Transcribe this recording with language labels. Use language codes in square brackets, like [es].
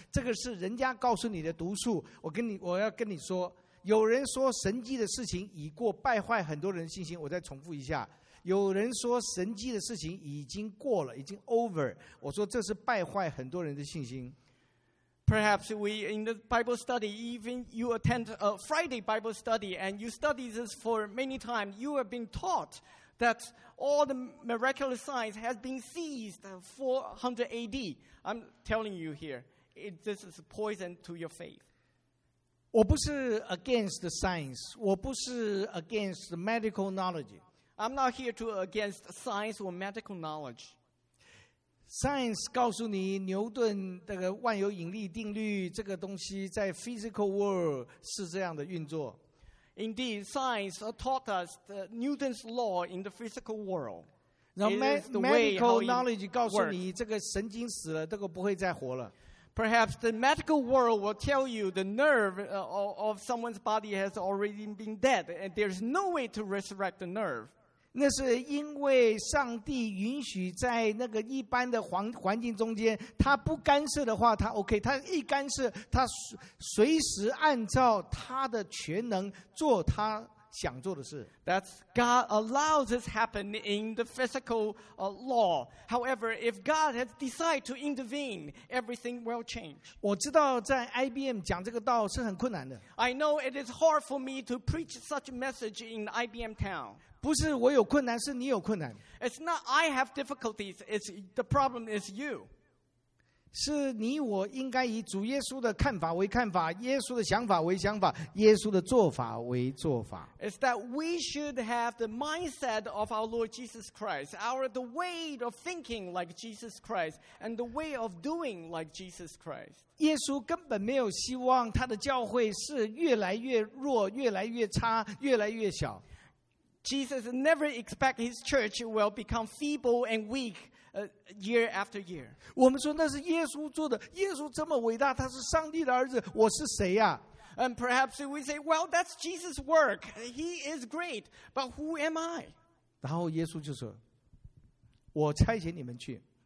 [zh] 这个是人家告诉你的毒素。我要跟你说。有人说神迹的事情已过，败坏很多人的信心。我再重复一下，有人说神迹的事情已经过了，已经 over。我说这是败坏很多人的信心。 [en] Perhaps we in the Bible study, even you attend a Friday Bible study and you study this for many times, you have been taught that all the miraculous signs has been seized 400 AD. I'm telling you here, this is poison to your faith. [zh] 我不是 [en] against the science, [zh] 我不是 [en] against the medical knowledge. I'm not here to against science or medical knowledge. [zh] Science 告诉你牛顿这个万有引力定律这个东西在 [en] physical world [zh] 是这样的运作。 [en] Indeed, science taught us Newton's law in the physical world. Now, medical knowledge [zh] 告诉你这个神经死了，这个不会再活了。 [en] Perhaps the medical world will tell you the nerve of someone's body has already been dead, and there's no way to resurrect the nerve. [zh] 那是因为上帝允许在那个一般的环境中间，他不干涉的话，他 OK， 他一干涉，他随时按照他的全能做他想做的事。 [en] That's God allows this happen in the physical law. However, if God has decided to intervene, everything will change. [zh] 我知道在 IBM 讲这个道是很困难的。 [en] I know it is hard for me to preach such a message in IBM town. [zh] 不是我有困难，是你有困难。 [en] It's not I have difficulties. It's the problem is you. [zh] 是你我应该以主耶稣的看法为看法，耶稣的想法为想法，耶稣的做法为做法。 [en] It's that we should have the mindset of our Lord Jesus Christ, the way of thinking like Jesus Christ, and the way of doing like Jesus Christ. [zh] 耶稣根本没有希望他的教会是越来越弱，越来越差，越来越小。 [en] Jesus never expect his church will become feeble and weak. Year after year. [zh] 我们说那是耶稣做的，耶稣这么伟大，他是上帝的儿子，我是谁啊？ [en] And perhaps we say, well, that's Jesus' work. He is great, but who am I? [zh] 然后耶稣就说，我差遣你们去。